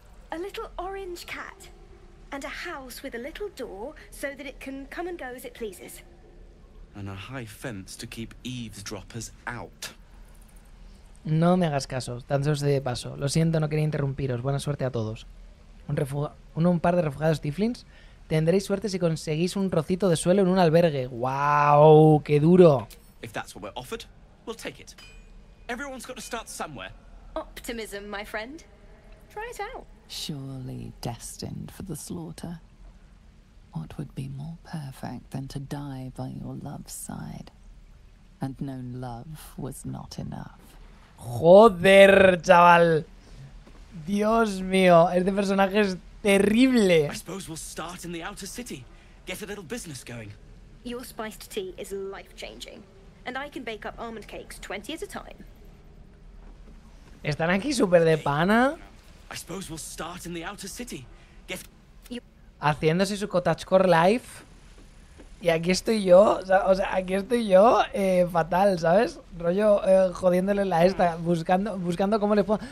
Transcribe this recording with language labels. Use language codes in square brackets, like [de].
[en] A little orange cat and a house with a little door so that it can come and go as it pleases. And a high fence to keep eavesdroppers out. [es] No me hagas caso, tan solo estoy de paso. Lo siento, no quería interrumpiros. Buena suerte a todos. Un par de refugiados tieflings. Tendréis suerte si conseguís un trocito de suelo en un albergue. ¡Wow! ¡Qué duro! [en] If that's what we're offered, we'll take it. Everyone's got to start somewhere. Optimism, my friend. Try it out. Surely destined for the slaughter. What would be more perfect than to die by your love's side? And known love was not enough. [es] Joder, chaval. Dios mío, este personaje es terrible. [en] I suppose we'll start in the outer city. Get a little business going. Your spiced tea is life-changing. And I can bake up almond cakes 20 at a time. [es] ¿Están aquí súper de pana? [en] I suppose we'll start in the outer city. [es] Get haciéndose su cottagecore life. Y aquí estoy yo, o sea, aquí estoy yo, fatal, ¿sabes? Rollo jodiéndole la esta, buscando cómo le puedo...